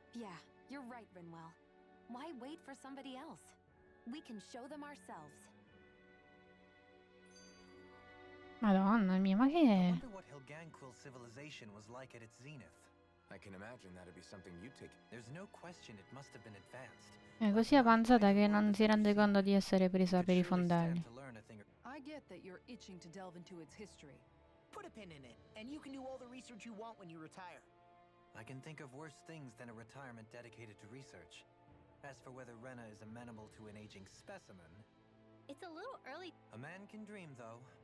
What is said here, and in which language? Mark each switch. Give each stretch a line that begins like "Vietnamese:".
English: Yeah, you're right, Rinwell. Why wait for somebody else? We can show them ourselves.
Italian: Madonna mia, ma che è?
English: I wonder what Helganquil civilization was like at its zenith. I can imagine that'd be something you'd take. There's no question it must have been advanced.
Italian: È così avanzata che non si rende conto di essere presa per i fondali.
English: I get that you're itching to delve into its history. Put a pin in it, and you can do all the research you want when you retire. I can think of worse things than a retirement dedicated to research. As for whether Renna is amenable to an aging specimen. It's a little early. A man can dream, though.